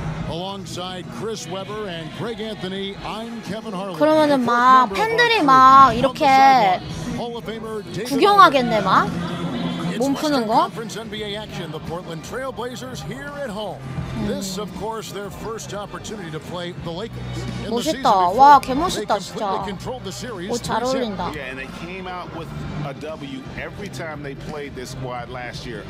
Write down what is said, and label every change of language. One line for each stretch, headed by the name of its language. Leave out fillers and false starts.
English: Alongside Chris Webber and Greg Anthony, I'm Kevin Harlan.
Korean: 그러면은 막 팬들이 막 이렇게 구경하겠네 막. 몸 푸는 거?
English: Conference NBA action. The Portland Trail Blazers here at home. This of course their first opportunity to play the Lakers.
Korean: 멋있다. 와, 개멋있다 진짜. 오, 잘 어울린다.
English: Yeah, and they came out with a W every time they played this squad last year.